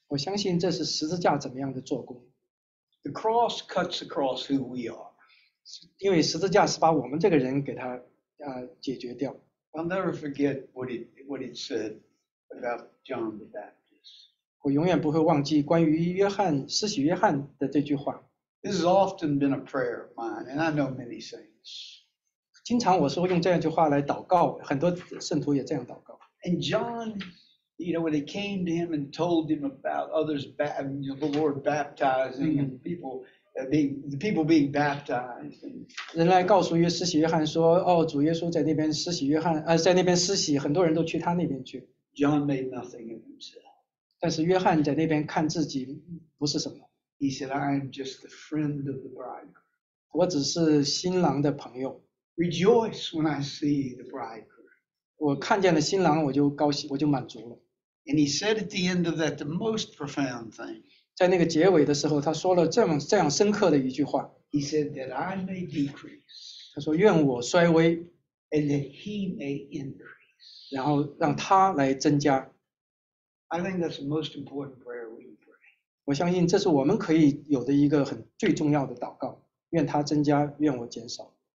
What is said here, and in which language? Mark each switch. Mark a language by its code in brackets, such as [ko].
[zh] 我相信这是十字架怎么样的做工。 [en] The cross cuts across who we are. [zh] 因为十字架是把我们这个人给他解决掉。 [en] I'll never forget what it said about John the Baptist. [zh] 我永远不会忘记关于约翰施洗约翰的这句话。 [en] This has often been a prayer of mine, and I know many saints. [zh] 经常我是用这样句话来祷告，很多圣徒也这样祷告。 [en] And John. You know, when he came to him and told him about others, the Lord baptizing and the people being baptized. [zh] 人来告诉约施洗约翰说，哦，主耶稣在那边施洗约翰，在那边施洗，很多人都去他那边去。 [en] John made nothing of himself. [zh] 但是约翰在那边看自己不是什么。 [en] He said, "I am just the friend of the bridegroom." [zh] 我只是新郎的朋友。 [en] Rejoice when I see the bridegroom. [zh] 我看见了新郎，我就高兴，我就满足了。 [en] And he said at the end of that the most profound thing. [zh] 在那个结尾的时候，他说了这样深刻的一句话。 [en] He said that I may decrease. [zh] 他说愿我衰微。 [en] And that he may increase. [zh] 然后让他来增加。 [en] I think that's the most important prayer we can pray. [zh] 我相信这是我们可以有的一个很最重要的祷告，愿他增加，愿我减少。